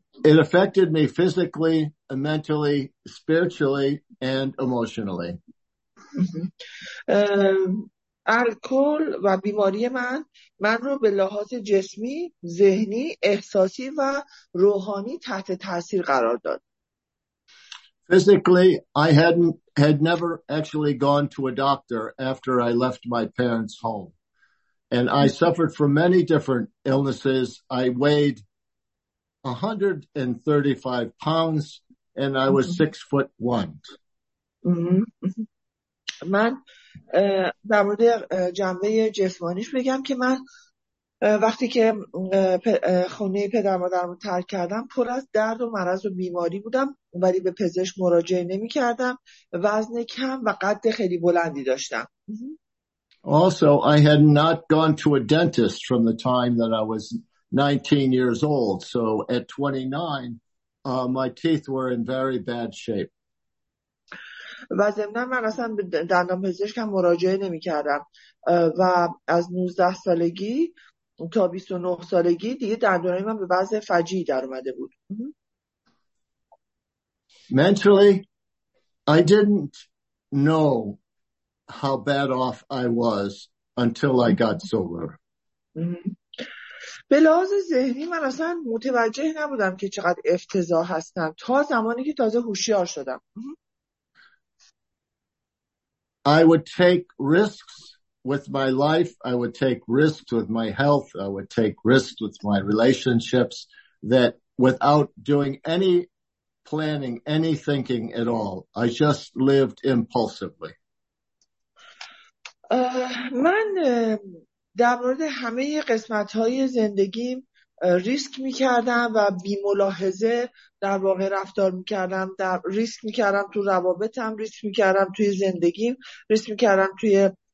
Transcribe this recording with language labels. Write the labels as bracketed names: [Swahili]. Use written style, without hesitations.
[English] It affected me physically, mentally, spiritually, and emotionally. [Persian] الکل و بیماری من رو به لحاظ جسمی، ذهنی، احساسی و روحانی تحت تاثیر قرار داد. [English] Physically, I had never actually gone to a doctor after I left my parents' home. And I suffered from many different illnesses. I weighed 135 pounds and I was 6'1". [Persian] من در مورد جنبه جسمانیش بگم که من وقتی که خونه پدر مادرم رو ترک کردم پر از درد و مرض و بیماری بودم، ولی به پزشک مراجعه نمی کردم. وزن کم و قد خیلی بلندی داشتم. [English] Also, I had not gone to a dentist from the time that I was 19 years old. So at 29, my teeth were in very bad shape. [Persian] و ضمناً من اصلا به دندان پزشکم مراجعه نمی کردم و از 19 سالگی تا 29 سالگی دیگه دندانای من به وضع فجیع در اومده بود. [English] Mentally, I didn't know how bad off I was until I got sober. [Persian] به لحاظ ذهنی من اصلا متوجه نبودم که چقدر افتضاح هستم تا زمانی که تازه هوشیار شدم. [English] I would take risks with my life. I would take risks with my health. I would take risks with my relationships that without doing any planning, any thinking at all, I just lived impulsively. [Persian] من در مورد همه قسمت‌های زندگیم ریسک می‌کردم و بی‌ملاحظه در واقع رفتار می‌کردم. ریسک می‌کردم تو روابطم، ریسک می‌کردم توی زندگیم، ریسک می‌کردم توی